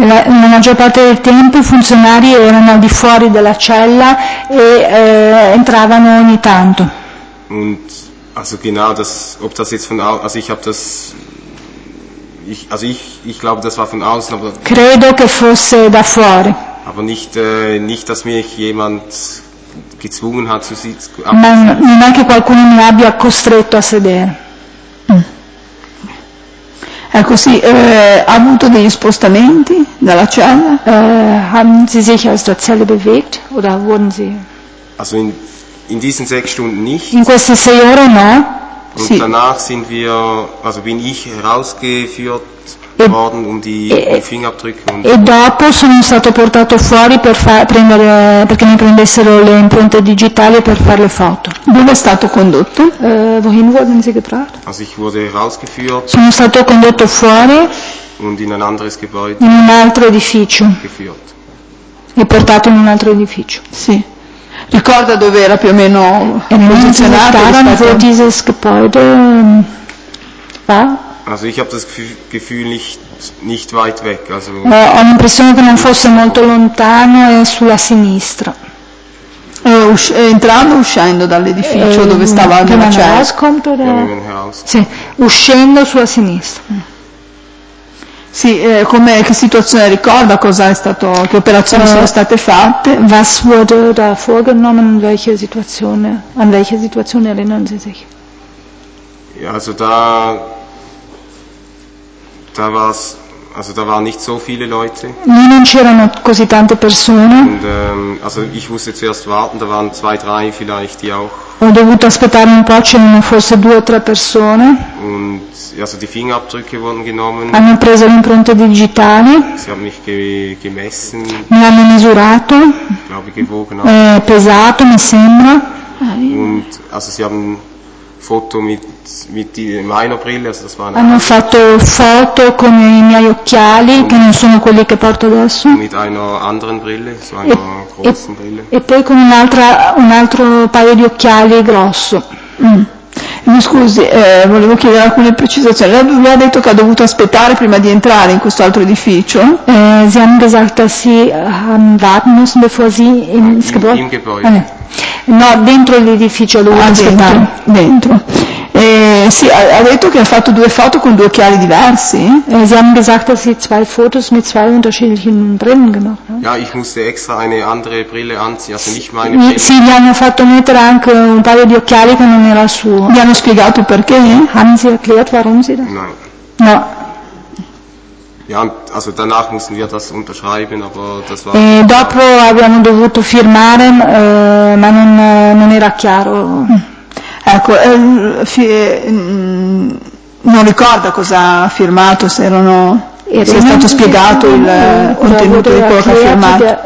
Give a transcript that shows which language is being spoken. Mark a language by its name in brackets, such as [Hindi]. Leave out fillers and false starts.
[Italian] La maggior parte del tempo i funzionari erano al di fuori della cella e entravano ogni tanto. [German] Und also genau das, ob das jetzt von aus, also ich habe das, ich, also ich glaube, das war von außen, aber [Italian] credo che fosse da fuori. [German] Aber nicht nicht, dass mich jemand gezwungen hat zu sitzen. [Italian] Ma non è che qualcuno mi abbia costretto a sedere. Ecco sì, ha avuto degli spostamenti dalla cella? [German] Haben Sie sich aus der Zelle bewegt oder wurden Sie? Also in diesen 6 Stunden nicht. [Italian] In queste 6 ore no. Und sì. [German] Danach sind wir, also bin ich herausgeführt worden, um die Fingerabdrücke und [Italian] e dopo sono stato portato fuori per prendere, perché mi prendessero le impronte digitali per fare le foto. Dove è stato condotto? [German] Wohin wurden Sie gebracht? Also ich wurde rausgeführt. [Italian] Sono stato condotto fuori [German] und in ein anderes Gebäude. [Italian] In un altro edificio. [German] Geführt. [Italian] E portato in un altro edificio. Sì. Ricorda dove era più o meno posizionato? Erano [German] wo dieses Gebäude war? Also ich habe das Gefühl nicht weit weg, also [Italian] ho l'impressione che non fosse molto lontano e sulla sinistra. Entrando o uscendo dall'edificio dove stava la cella? Che era scomparso. Sì, uscendo sulla sinistra. Sì, come che situazione ricorda, cosa è stato, che operazioni sono state fatte? [German] Was wurde da vorgenommen, an welche Situation erinnern Sie sich? Ja, also da waren nicht so viele Leute. [Italian] Non c'erano così tante persone. [German] Und, also ich musste zuerst warten, da waren 2-3 vielleicht, die auch. [Italian] Ho dovuto aspettare un po', c'erano forse 2-3 persone. [German] Und, also die Fingerabdrücke wurden genommen. [Italian] Hanno preso le impronte digitali. [German] Sie haben mich gemessen. [Italian] Mi hanno misurato. [German] Ich glaube, gewogen. [Italian] Pesato, mi sembra. [German] Und, also sie haben foto mit meiner Brille, also das war [Italian] hanno [German] eine [Italian] fatto foto con i miei occhiali che non sono quelli che porto adesso [German] mit einer anderen Brille, so einer großen Brille. [Italian] E poi con un altro paio di occhiali grosso. Mi scusi, volevo chiedere alcune precisazioni. Lei ha detto che ha dovuto aspettare prima di entrare in questo altro edificio? [German] Sie haben gesagt, dass Sie haben warten müssen, bevor Sie ins Gebäude. [Italian] No, dentro l'edificio, dove aspettare. Dentro. Sì, ha detto che ha fatto 2 foto con 2 occhiali diversi? [German] Sie haben gesagt, dass Sie 2 Fotos mit 2 unterschiedlichen Brillen gemacht haben. Ja, ich musste extra eine andere Brille anziehen, also nicht meine Brille. [Italian] Sì, gli hanno fatto mettere anche un paio di occhiali che non era suo. Gli hanno spiegato perché? [German] Haben Sie erklärt, warum Sie das? Nein. [Italian] No. [German] Ja, also danach mussten wir das unterschreiben, aber das war. [Italian] Dopo abbiamo dovuto firmare, ma non era chiaro. Ecco, non ricorda cosa ha firmato, se erano, se è stato spiegato il contenuto di quello che ha firmato.